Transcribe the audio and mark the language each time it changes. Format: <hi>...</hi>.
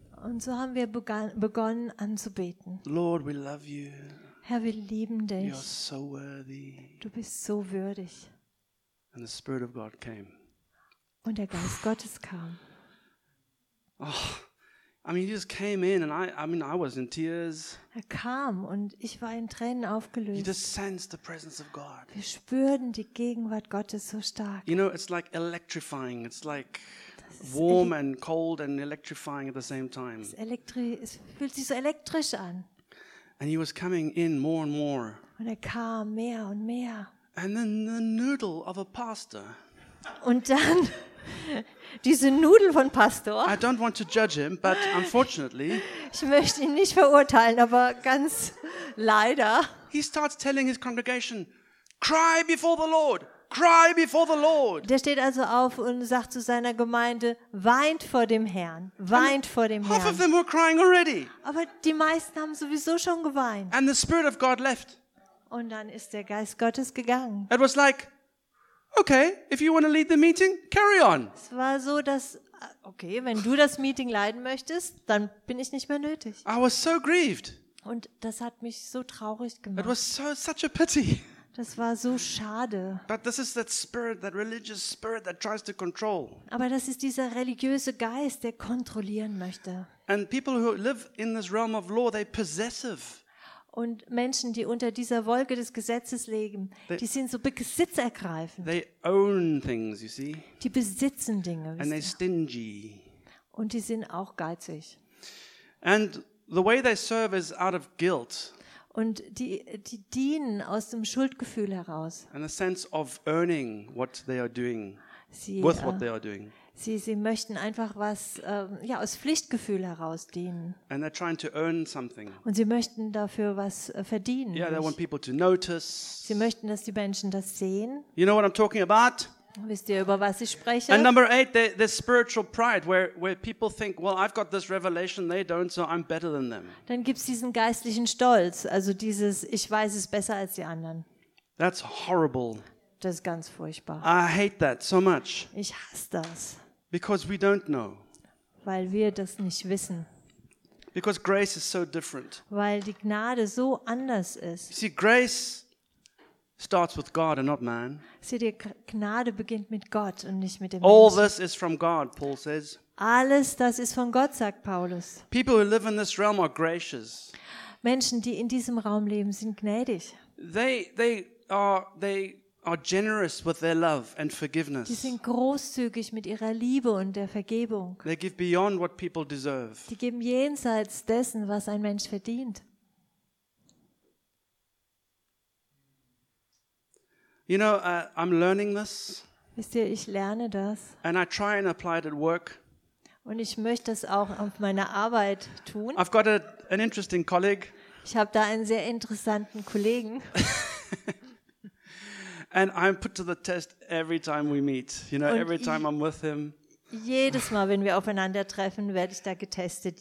<de>Und so haben wir begonnen anzubeten.</de> <en>Lord, we love you.</en> <de>Herr, wir lieben dich.</de> <en>You're so worthy.</en> <de>Du bist so würdig.</de> <en>And the Spirit of God came.</en> <de>Und der Geist Gottes kam.</de> <en>Oh, I mean, he just came in and I was in tears.</en> <de>Er kam und ich war in Tränen aufgelöst.</de> <en>You just sensed the presence of God.</en> <de>Wir spürten die Gegenwart Gottes so stark.</de> <en>You know, it's like electrifying. It's like warm and cold and electrifying at the same time.</en> <de>Es fühlt sich so elektrisch an.</de> <en>And he was coming in more and more.</en> <de>Und er kam mehr und mehr.</de> <en>And then the noodle of a pastor.</en> <de>Und dann diese Nudeln von Pastor.</de> <en>I don't want to judge him, but unfortunately.</en> <de>Ich möchte ihn nicht verurteilen, aber ganz leider.</de> <en>He starts telling his congregation, cry before the Lord. Cry before the Lord.</en> <de>Der steht also auf und sagt zu seiner Gemeinde, weint vor dem Herrn, weint vor dem</de> <en>half</en> <de>Herrn.</de> <en>Of them were crying already.</en> <de>Aber die meisten haben sowieso schon geweint.</de> <en>And the Spirit of God left.</en> <de>Und dann ist der Geist Gottes gegangen.</de> <en>It was like, okay, if you want to lead the meeting, carry on.</en> <de>Es war so, dass okay, wenn du das Meeting leiten möchtest, dann bin ich nicht mehr nötig.</de> <en>I was so grieved.</en> <de>Und das hat mich so traurig gemacht.</de> <en>It was so such a pity.</en> <de>Das war so schade.</de> <en>But this is that spirit, that religious spirit that tries to control.</en> <de>Aber das ist dieser religiöse Geist, der kontrollieren möchte.</de> <en>And people who live in this realm of law, they're possessive.</en> <de>Und Menschen, die unter dieser Wolke des Gesetzes leben, die sind so besitzergreifend.</de> <en>They own things, you see?</en> <de>Die besitzen Dinge.</de> <en>And they're stingy.</en> <de>Und die sind auch geizig.</de> <en>And the way they serve is out of guilt.</en> <de>Und die dienen aus dem Schuldgefühl heraus.</de> <en>And a sense of earning what they are doing, with what they are doing.</en> <de>Sie möchten einfach was aus Pflichtgefühl heraus dienen.</de> <en>And they're trying to earn something.</en> <de>Und sie möchten dafür was verdienen.</de> <en>Yeah, they want people to notice.</en> <de>Sie möchten, dass die Menschen das sehen.</de> <en>You know what I'm talking about?</en> <de>Wisst ihr, über was ich spreche?</de> <en>And number eight, the spiritual pride, where people think, well, I've got this revelation, they don't, so I'm better than them.</en> <de>Dann gibt's diesen geistlichen Stolz, also dieses, ich weiß es besser als die anderen.</de> <en>That's horrible.</en> <de>Das ist ganz furchtbar.</de> <en>I hate that so much.</en> <de>Ich hasse das.</de> <en>Because we don't know.</en> <de>Weil wir das nicht wissen.</de> <en>Because grace is so different.</en> <de>Weil die Gnade so anders ist.</de> <en>See, grace starts with God and not man.</en> <de>Seht ihr, Gnade beginnt mit Gott und nicht mit dem</de> <en>All</en> <de>Menschen.</de> <en>This is from God, Paul says.</en> <de>Alles das ist von Gott, sagt Paulus.</de> <en>People who live in this realm are gracious.</en> <de>Menschen, die in diesem Raum leben, sind gnädig.</de> <en>They are generous with their love and forgiveness.</en> <de>Die sind großzügig mit ihrer Liebe und der Vergebung.</de> <en>They give beyond what people deserve.</en> <de>Die geben jenseits dessen, was ein Mensch verdient.</de> <en>You know, I'm learning this.</en> <de>Wisst ihr, ich lerne das.</de> <en>And I try and apply it at work.</en> <de>Und ich möchte das auch auf meiner Arbeit tun.</de> <en>I've got an interesting colleague.</en> <de>Ich habe da einen sehr interessanten Kollegen.</de> <en>And I'm put to the test every time we meet. You know,</en> <de>und</de> <en>every time I'm with him.</en> <de>Jedes Mal, wenn wir aufeinandertreffen, werde ich da getestet.</de>